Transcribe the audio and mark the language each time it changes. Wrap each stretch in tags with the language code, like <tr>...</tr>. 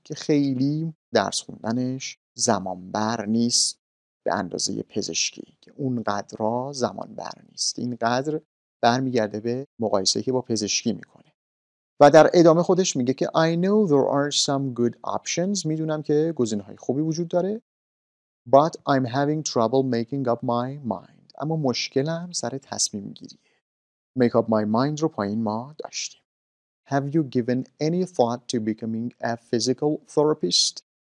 <fa>که خیلی درس خوندنش زمان بر نیست به اندازه پزشکی. که اونقدر زمان بر نیست. اینقدر برمیگرده به مقایسه که با پزشکی میکنه. و در ادامه خودش میگه که</fa> <en>I know there are some good options.</en> <fa>میدونم که گزینه‌های خوبی وجود داره.</fa> <en>But I'm having trouble making up my mind.</en> <fa>اما مشکلم سر تصمیم گیریه.</fa> <en>Make up my mind</en> <fa>رو پایین ما داشتیم.</fa> <en>Have you given any thought to becoming a physical therapist?</en>